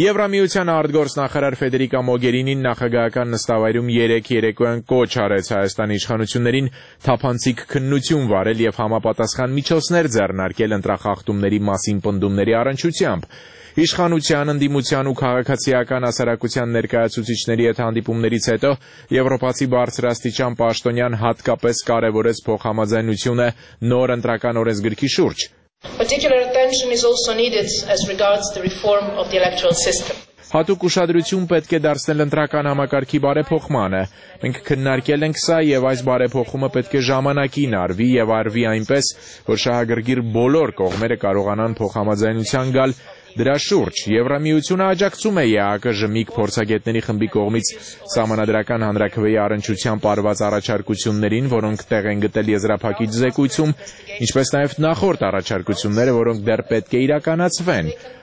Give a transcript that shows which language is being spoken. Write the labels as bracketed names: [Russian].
[Armenian] Եվրամիության արտգործնախարար Ֆեդերիկա Մոգերինին նախագահական նստավայրում 3-3-ով կոչ արեց Հայաստանի իշխանություններին թափանցիկ քննություն վարել եւ համապատասխան միջոցներ ձեռնարկել ընտրախախտումների մասին պնդումների առնչությամբ։ Իշխանության ընդդիմության ու քաղաքացիական հասարակության ներկայացուցիչների հետ հանդիպումներից հետո Եվրոպացի բարձրաստիճան պաշտոնյան հատկապես կարևորեց փոխհամաձայնությունը նոր ընտրական օրենսգրքի շուրջ։ [English] Particular attention is also needed as regards the reform of the electoral system. [Armenian] Հատուկ ուշադրություն պետք է դարձնել ընտրական համակարգի բարեփոխմանը։ Մենք քննարկել ենք սա եւ այս բարեփոխումը պետք է ժամանակին արվի եւ արվի այնպես, որ շահագրգիռ բոլոր կողմերը կարողանան փոխհամաձայնության գալ։ Դրա շուրջ Եվրամիությունը աջակցում է ԵԱԿ ԺՄԻԿ փորձագետների խմբի կողմից Սահմանադրական Հանրաքվեի առնչության պարված առաջարկություններին, որոնք տեղ են գտել եզրափակիչ զեկույցում, ինչպես նաև նախորդ առաջարկությունները, որոնք դեռ պետք է իրականացվեն։